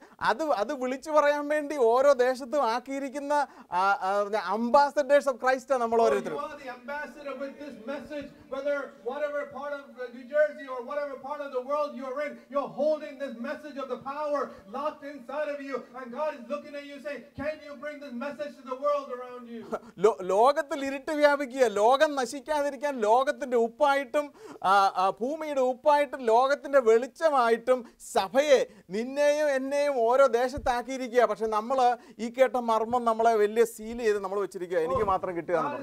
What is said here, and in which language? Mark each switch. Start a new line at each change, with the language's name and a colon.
Malayalam: അത് വിളിച്ചു പറയാൻ വേണ്ടി ഓരോ ദേശത്തും ആക്കിയിരിക്കുന്ന
English: ambassadors of Christ
Malayalam: നമ്മൾ ഓരോരുത്തരും.
English: You are the ambassador with this message, whether whatever part of New Jersey or whatever part of the world you're in, you're holding this message of the power locked inside of you and God is looking at you saying, can you bring this message to the world around you?
Malayalam: ലോകത്തിൽ ഇരുട്ട് വ്യാപിക്കുക, ലോകം നശിക്കാതിരിക്കാൻ ലോകത്തിന്റെ ഉപ്പായിട്ടും ഭൂമിയുടെ ഉപ്പായിട്ടും ലോകത്തിന്റെ വെളിച്ചമായിട്ടും സഭയെ, നിന്നെയും എന്നെയും ഓരോ ദേശത്താക്കിയിരിക്കുക. പക്ഷെ നമ്മൾ ഈ കേട്ട മർമ്മം നമ്മളെ വലിയ സീൽ ചെയ്ത് നമ്മൾ വെച്ചിരിക്കുക, എനിക്ക് മാത്രം കിട്ടുക.